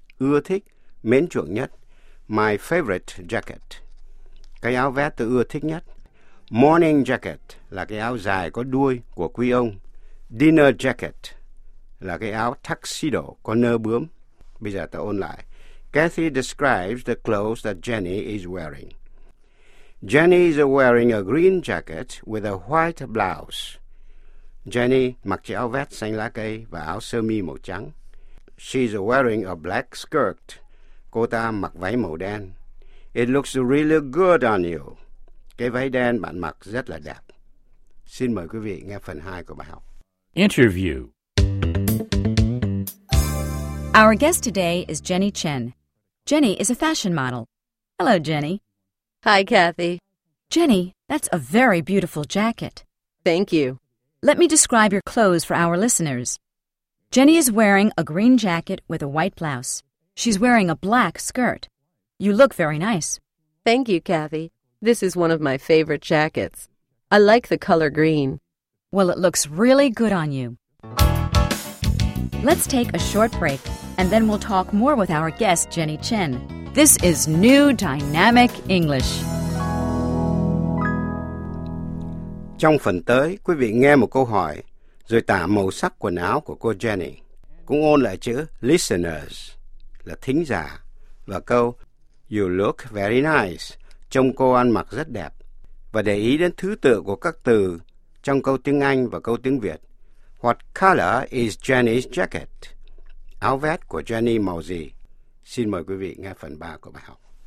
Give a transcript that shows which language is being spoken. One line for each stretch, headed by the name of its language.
Vietnamese: Ưa thích, mến chuộng nhất.
English: My favorite jacket.
Vietnamese: Cái áo vest tôi ưa thích nhất. Morning jacket là cái áo dài có đuôi của quý ông. Dinner jacket là cái áo tuxedo có nơ bướm. Bây giờ tôi ôn lại.
English: Kathy describes the clothes that Jenny is wearing. Jenny is wearing a green jacket with a white blouse.
Vietnamese: Jenny mặc chiếc áo vest xanh lá cây và áo sơ mi màu trắng.
English: She's wearing a black skirt.
Vietnamese: Cô ta mặc váy màu đen.
English: It looks really good on you.
Vietnamese: Cái váy đen bạn mặc rất là đẹp. Xin mời quý vị nghe phần 2 của bài học.
English: Interview. Our guest today is Jenny Chen. Jenny is a fashion model. Hello, Jenny. Hi, Kathy. Jenny, that's a very beautiful jacket. Thank you. Let me describe your clothes for our listeners. Jenny is wearing a green jacket with a white blouse. She's wearing a black skirt. You look very nice. Thank you, Kathy. This is one of my favorite jackets. I like the color green. Well, it looks really good on you. Let's take a short break, and then we'll talk more with our guest, Jenny Chen. This is New Dynamic English.
Vietnamese: Trong phần tới, quý vị nghe một câu hỏi, rồi tả màu sắc quần áo của cô Jenny. Cũng ôn lại chữ listeners, là thính giả. Và câu,
English: you look very nice,
Vietnamese: trông cô ăn mặc rất đẹp. Và để ý đến thứ tự của các từ trong câu tiếng Anh và câu tiếng Việt.
English: What color is Jenny's jacket?
Vietnamese: Áo vest của Jenny màu gì? Xin mời quý vị nghe phần 3 của bài học.